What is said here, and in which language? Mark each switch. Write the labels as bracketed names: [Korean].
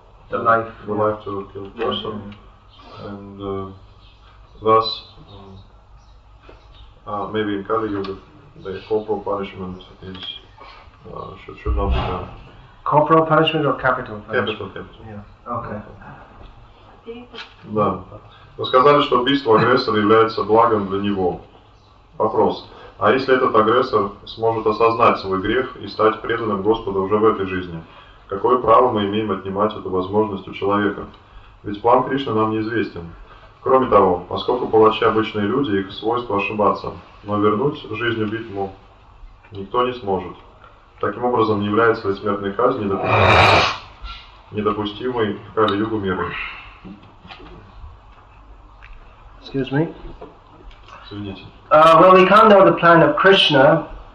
[English] the life, the life to a killed person. And thus, maybe in Kali Yuga, the corporal punishment is should not be done. Corporal punishment or capital punishment? Capital. Yeah. Okay. [Russian] Да. Вы сказали, что убийство агрессора является благом для него. Вопрос. А если этот агрессор сможет осознать свой грех и стать преданным Господу уже в этой жизни, какое право мы имеем отнимать эту возможность у человека? Ведь план Кришны нам неизвестен. Кроме того, поскольку палачи обычные люди, их свойство ошибаться, но вернуть жизнь убитому никто не сможет. Таким образом, не является ли смертной казнь недопустимой в Кали-Югу мира? [English] Excuse me. Well, we can know the plan of Krishna.